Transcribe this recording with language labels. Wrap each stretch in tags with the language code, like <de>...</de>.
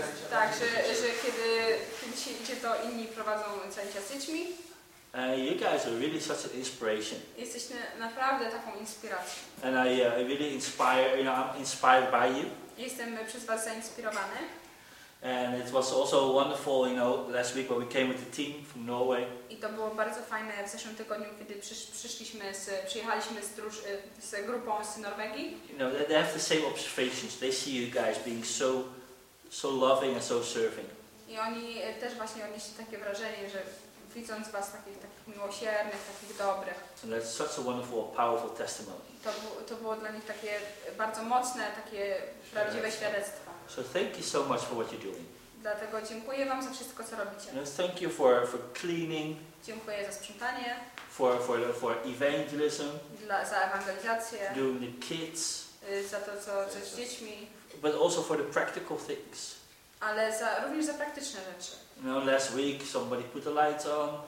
<pl>Tak, że kiedy się idzie, to inni prowadzą zajęcia z dziećmi.</pl> <en>You guys are really such an inspiration.</en> <pl>Jesteście naprawdę taką inspiracją.</pl> <en>And I really inspire, you know, I'm inspired by you.</en> <pl>Jestem przez was zainspirowany.</pl> <en>And it was also wonderful, you know, last week when we came with the team from Norway.</en> <pl>I to było bardzo fajne w zeszłym tygodniu, kiedy przyjechaliśmy z grupą z Norwegii.</pl> <en>You know, they have the same observations. They see you guys being so loving and so serving.</en> <pl>I oni też właśnie odnieśli takie wrażenie, że widząc was takich miłosiernych, takich dobrych.</pl> <en>So that's such a wonderful, powerful testimony.</en> <pl>To było dla nich takie bardzo mocne, takie prawdziwe świadectwo.</pl> <en>So thank you so much for what you're doing.</en> <pl>Dlatego dziękuję wam za wszystko, co robicie.</pl> <en>And thank you for cleaning.</en> <pl>Dziękuję za sprzątanie.</pl> <en>For evangelism.</en> <pl>Za ewangelizację.</pl> <en>Doing the kids.</en> <pl>Za to, co z dziećmi.</pl> <en>But also for the practical things.</en> <pl>Ale również za praktyczne rzeczy.</pl> <en>You know, last week somebody put the lights on.</en>